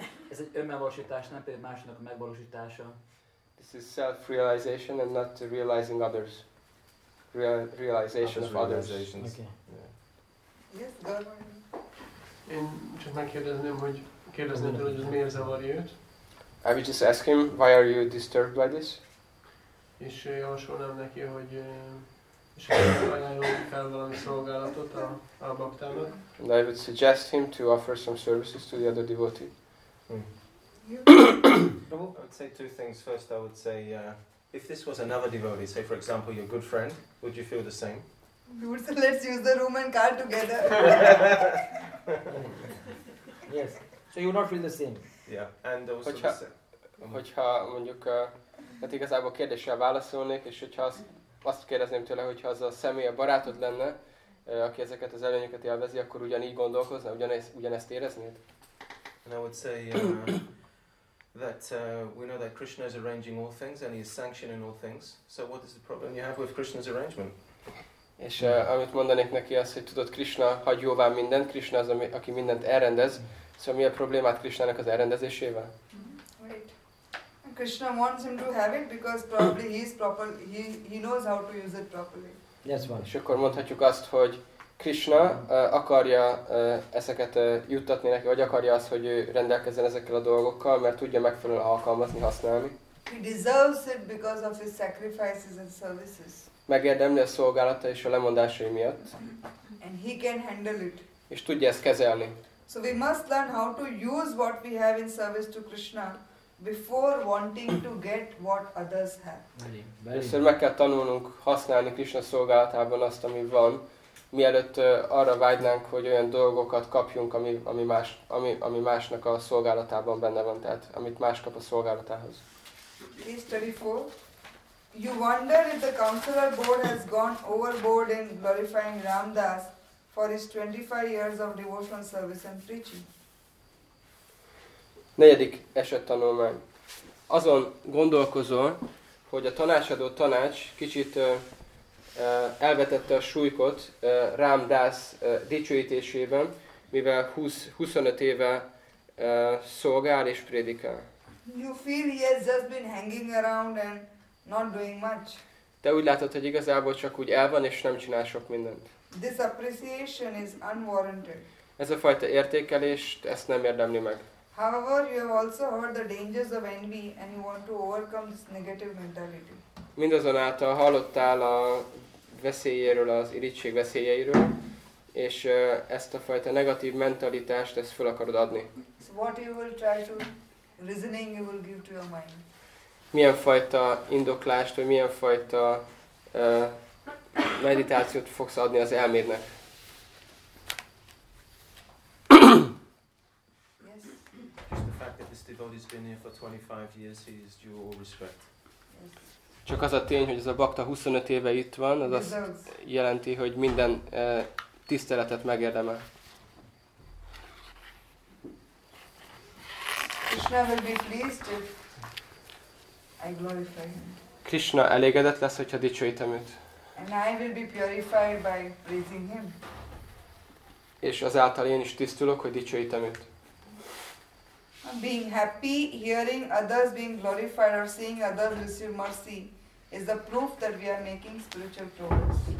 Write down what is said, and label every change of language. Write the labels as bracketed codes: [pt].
[hu] Ez egy önmegvalósítás, nem pedig másnak a. [en] This is self-realization and not realizing others. Realization of others. Okay. [hu] Én csak megkérdezném, hogy ez miért zavarja őt. [en] I would just ask him, why are you disturbed by this? [hu] És javasolnám neki, hogy ajánljon fel valami szolgálatot a baktának. [en] And I would suggest him to offer some services to the other devotee. I would say two things. First, I would say, if this was another devotee, say for example your good friend, would you feel the same? Dude, so let's use the room and car together. Yes. So you would not feel the same. Yeah. And also hogyha, [hu] hogyha mondjuk, hát igazából kérdéssel válaszolnék, és hogyha azt kérdezném tőle, hogyha az a személy a barátod lenne, aki ezeket az előnyöket élvezi, akkor ugyanígy gondolkozna, ugyanezt éreznéd? [en] And I would say that we know that Krishna is arranging all things and he is sanctioning all things. So what is the problem you have with Krishna's arrangement? [hu] És amit mondanék neki az, hogy tudod, Krishna hagy jóvá mindent, Krishna az, aki mindent elrendez. Szóval mi a problémát Krishnának az elrendezésével? [en] Right. Krishna wants him to have it because probably he is proper, he knows how to use it properly. Yes, one. [hu] És akkor mondhatjuk azt, hogy Krishna akarja ezeket juttatni neki, vagy akarja azt, hogy ő rendelkezzen ezekkel a dolgokkal, mert tudja megfelelően alkalmazni, használni. [en] He deserves it because of his sacrifices and services. [hu] Megérdemli a szolgálata és a lemondásai miatt. [en] And he can handle it. [hu] És tudja ezt kezelni. [en] So we must learn how to use what we have in service to Krishna before wanting to get what others have. [hu] Először meg kell tanulnunk használni Krishna szolgálatában azt, ami van, mielőtt arra vágynánk, hogy olyan dolgokat kapjunk, ami másnak a szolgálatában benne van, tehát amit más kap a szolgálatához. [en] Case 34. You wonder if the counselor board has gone overboard in glorifying Ramdas for his 25 years of devotional service and preaching. [hu] Negyedik esettanulmány. Azon gondolkozol, hogy a tanácsadó tanács kicsit elvetette a súlykot Ramdas dicsőítésében, mivel 25 éve szolgál és prédikál. [en] You feel he has just been hanging around and not doing much. [hu] Te úgy látod, hogy igazából csak úgy el van és nem csinál sok mindent. [en] This appreciation is unwarranted. [hu] Ez a fajta értékelés, ezt nem érdemli meg. [en] However, you have also heard the dangers of envy and you want to overcome this negative mentality. [hu] Mindazonáltal hallottál a veszélyéről, az irigység veszélyeiről, és ezt a fajta negatív mentalitást, ezt fel akarod adni. [en] So what you will try to reasoning you will give to your mind. [hu] Milyen fajta indoklást, vagy milyen fajta meditációt fogsz adni az elmédnek? [en] Yes. Just the fact that this devotee's been here for 25 years, he is due all respect. [hu] Csak az a tény, hogy ez a bakta 25 éve itt van, az azt jelenti, hogy minden tiszteletet megérdemel. [en] Krishna will be pleased if I glorify him. [hu] Krishna elégedett lesz, hogyha dicsőítem őt. [en] And I will be purified by praising him. [hu] És azáltal én is tisztulok, hogy dicsőítem őt. [en] Being happy, hearing others being glorified or seeing others receive mercy is the proof that we are making spiritual progress.